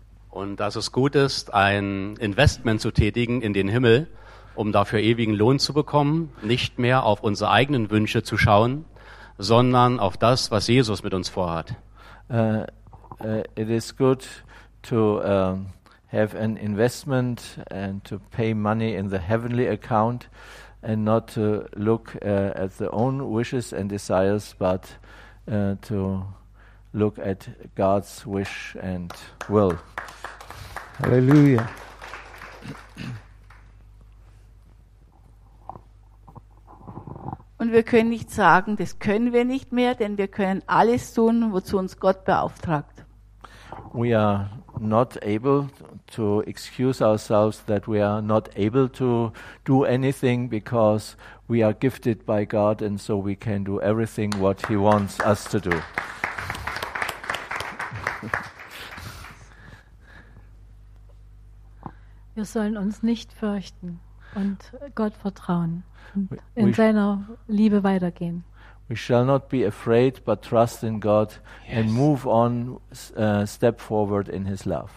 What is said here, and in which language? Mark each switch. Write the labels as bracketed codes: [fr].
[de] Und dass es gut ist, ein Investment zu tätigen in den Himmel, um dafür ewigen Lohn zu bekommen, nicht mehr auf unsere eigenen Wünsche zu schauen, sondern auf das, was Jesus mit uns vorhat. [en] It is good to have an investment and to pay money in the heavenly account and not to look at the own wishes and desires, but to look at God's wish and will. Hallelujah. [de] Und wir können nicht sagen, das können wir nicht mehr, denn wir können alles tun, wozu uns Gott beauftragt. [en] We are not able to excuse ourselves that we are not able to do anything because we are gifted by God and so we can do everything what he wants us to do. [de] Wir sollen uns nicht fürchten und Gott vertrauen und in seiner Liebe weitergehen. [en] We shall not be afraid, but trust in God and move on, step forward in his love.